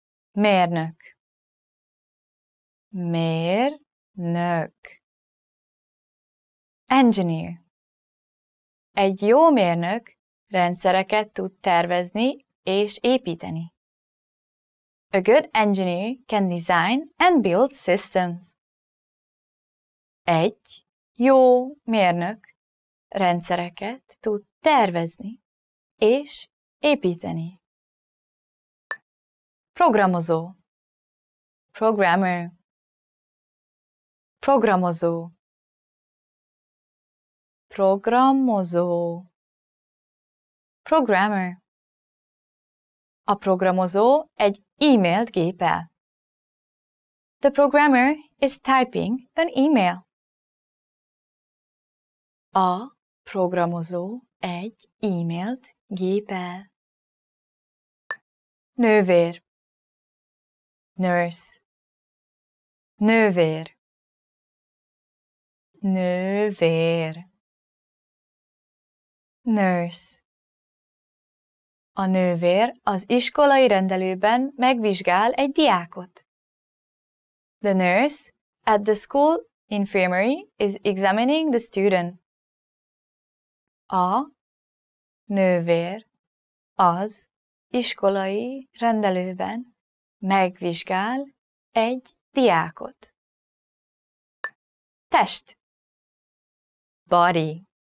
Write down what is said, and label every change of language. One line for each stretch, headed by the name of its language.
Hungarian: Mérnök. Mérnök.
English: Engineer.
Hungarian: Egy jó mérnök rendszereket tud tervezni és építeni.
English: A good engineer can design and build systems.
Hungarian: Egy jó mérnök rendszereket tud tervezni és építeni. Programozó.
English: Programmer.
Hungarian: Programozó. Programozó.
English: Programmer.
Hungarian: A programozó egy e-mailt gépel.
English: The programmer is typing an email.
Hungarian: A programozó egy e-mailt gépel. Nővér.
English: Nurse.
Hungarian: Nővér. Nővér.
English: Nurse.
Hungarian: A nővér az iskolai rendelőben megvizsgál egy diákot.
English: The nurse at the school infirmary is examining the student.
Hungarian: A nővér az iskolai rendelőben megvizsgál egy diákot. Test.
English: Body.